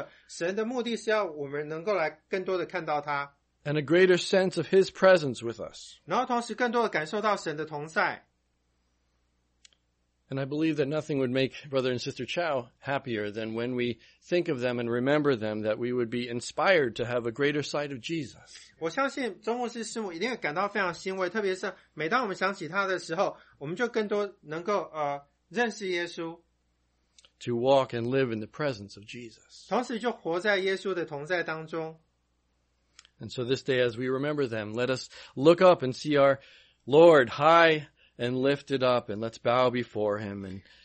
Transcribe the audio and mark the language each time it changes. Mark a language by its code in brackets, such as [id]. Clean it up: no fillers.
[zh] 很多时候在我们生命当中有这些重要时刻，神的目的是要我们能够来更多的看到他。 [en] And a greater sense of his presence with us. [zh] 然后同时更多的感受到神的同在。 [en] And I believe that nothing would make Brother and Sister Chow happier than when we think of them and remember them, that we would be inspired to have a greater sight of Jesus. [zh] 我相信钟牧师师母一定会感到非常欣慰，特别是每当我们想起他的时候，我们就更多能够认识耶稣。 [en] To walk and live in the presence of Jesus. [zh] 同时就活在耶稣的同在当中。 [en] And so this day, as we remember them, let us look up and see our Lord high and lifted up, and let's bow before him.